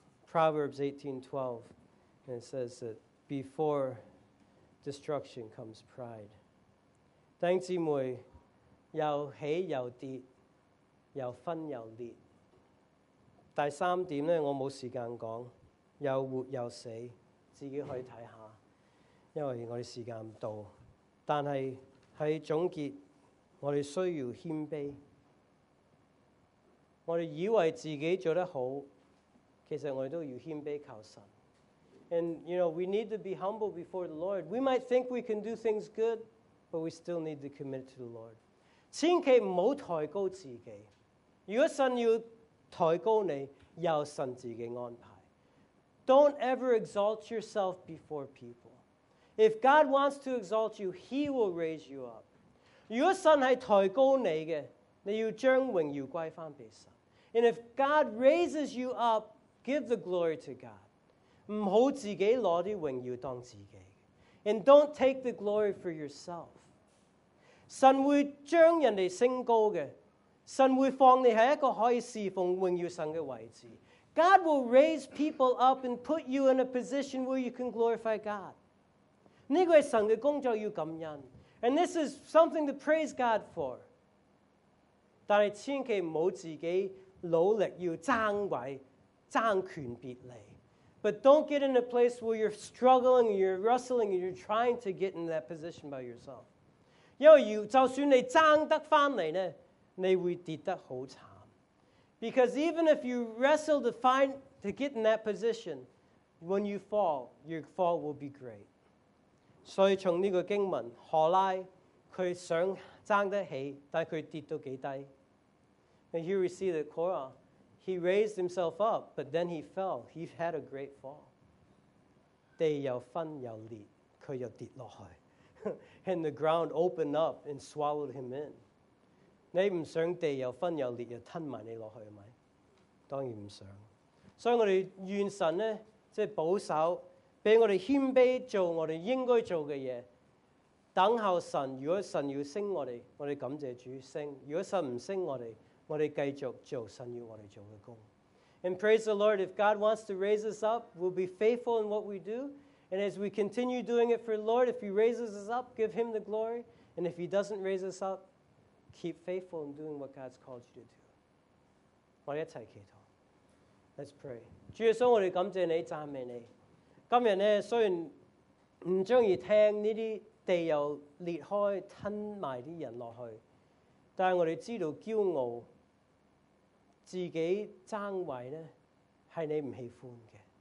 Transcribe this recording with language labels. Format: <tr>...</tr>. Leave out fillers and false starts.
<en>Proverbs 18:12, and it says that before destruction comes pride.</en> <yue>弟兄姊妹，又起又跌，又分又裂。第三點咧，我冇時間講，又活又死，自己可以睇下，因為我哋時間唔到。但係喺總結，我哋需要謙卑。我哋以為自己做得好，其實我哋都要謙卑求神。</yue> <en>And you know, we need to be humble before the Lord. We might think we can do things good, but we still need to commit to the Lord.</en> <yue>千祈唔好抬高自己。如果神要抬高你，有神自己安排。</yue> <en>Don't ever exalt yourself before people. If God wants to exalt you, He will raise you up.</en> <yue>如果神係抬高你嘅。你要將榮耀歸翻俾神。</yue> <en>And if God raises you up, give the glory to God.</en> <yue>唔好自己攞啲榮耀當自己。</yue> <en>And don't take the glory for yourself.</en> <yue>神會將人哋升高嘅，神會放你喺一個可以侍奉榮耀神嘅位置。</yue> <en>God will raise people up and put you in a position where you can glorify God.</en> <yue>呢個係神嘅工作，要感恩。</yue> <en>And this is something to praise God for.</en> <yue>但係千祈唔好自己努力要爭位、爭權別利。</yue> <en>But don't get in a place where you're struggling, you're wrestling, you're trying to get in that position by yourself.</en> <yue>因為就算你爭得翻嚟咧，你會跌得好慘。</yue> <en>Because even if you wrestle to get in that position, when you fall, your fall will be great.</en> <yue>所以從呢個經文，何拉佢想。爭得起，但佢跌到幾低。</yue> <en>And here we see that Korah, he raised himself up, but then he fell. He had a great fall.</en> <yue>地又分又裂，佢又跌落去。</yue> <en>And the ground opened up and swallowed him in.</en> <yue>你唔想地又分又裂，又吞埋你落去咪？當然唔想。所以我哋願神咧，即係保守，俾我哋謙卑做我哋應該做嘅嘢。等候神，如果神要升我哋，我哋感謝主升；如果神唔升我哋，我哋繼續做神要我哋做嘅工。</yue> <en>And praise the Lord, if God wants to raise us up, we'll be faithful in what we do. And as we continue doing it for the Lord, if He raises us up, give Him the glory. And if He doesn't raise us up, keep faithful in doing what God's called you to do.</en> <yue>我哋一齊祈禱。</yue> <en>Let's pray.</en> <yue>主耶穌，我哋感謝你，讚美你。今日咧，雖然唔中意聽呢啲。地又裂開，吞埋啲人落去。但係我哋知道驕傲，自己爭位咧，係你唔喜歡嘅。</yue>